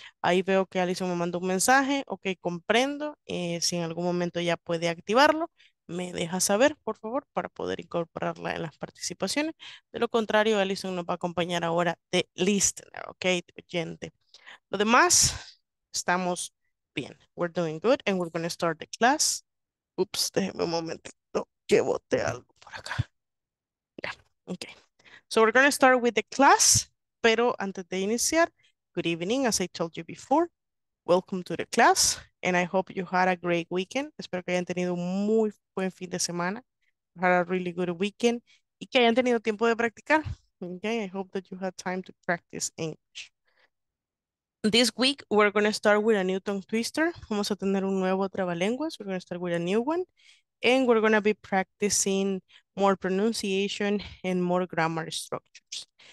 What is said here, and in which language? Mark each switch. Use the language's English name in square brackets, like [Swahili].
[Spanish] Ahí veo que Alison me mandó un mensaje, ok, comprendo, si en algún momento ya puede activarlo. Me deja saber, por favor, para poder incorporarla en las participaciones. De lo contrario, Alison nos va a acompañar ahora de listener, ¿ok? De oyente. Lo demás, estamos bien. [English] We're doing good and we're going to start the class. [Spanish] Ups, déjeme un momentito que boté algo por acá. Ya, ok. [English] So we're going to start with the class, [Spanish] pero antes de iniciar, [English] good evening, as I told you before. Welcome to the class, and I hope you had a great weekend. [Spanish] Espero que hayan tenido un muy buen fin de semana. [English] Had a really good weekend. [Spanish] Y que hayan tenido tiempo de practicar. [English] Okay, I hope that you had time to practice English. This week, we're going to start with a new tongue twister. [Spanish] Vamos a tener un nuevo trabalenguas. [English] We're going to start with a new one. And we're going to be practicing more pronunciation and more grammar structures.